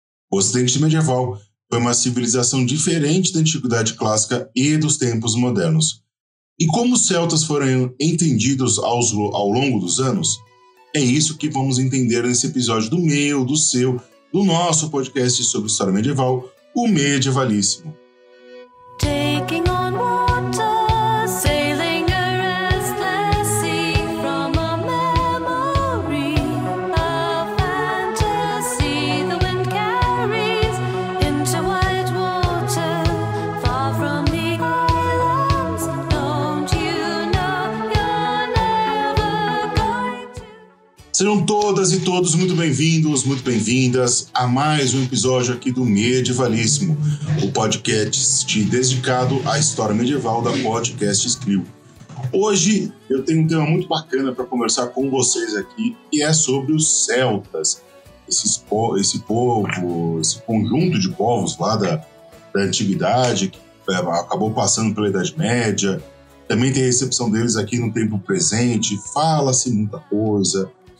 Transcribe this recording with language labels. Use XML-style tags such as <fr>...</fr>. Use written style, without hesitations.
<pt>O Ocidente medieval foi uma civilização diferente da Antiguidade Clássica e dos tempos modernos. E como os celtas foram entendidos ao longo dos anos? É isso que vamos entender nesse episódio do meu, do seu, do nosso podcast sobre história medieval, o Medievalíssimo.</pt> <en>Taking on water, sailing a restless sea from a memory, a fantasy the wind carries into wide water, far from the islands. Don't you know you're never going to.</en> <pt>Sejam todas e todos muito bem-vindos, muito bem-vindas a mais um episódio aqui do Medievalíssimo, o podcast dedicado à história medieval da Podcast Scribo. Hoje eu tenho um tema muito bacana para conversar com vocês aqui, que é sobre os celtas, esse povo, esse conjunto de povos lá da Antiguidade, que acabou passando pela Idade Média, também tem a recepção deles aqui no tempo presente, fala-se muita coisa.</pt>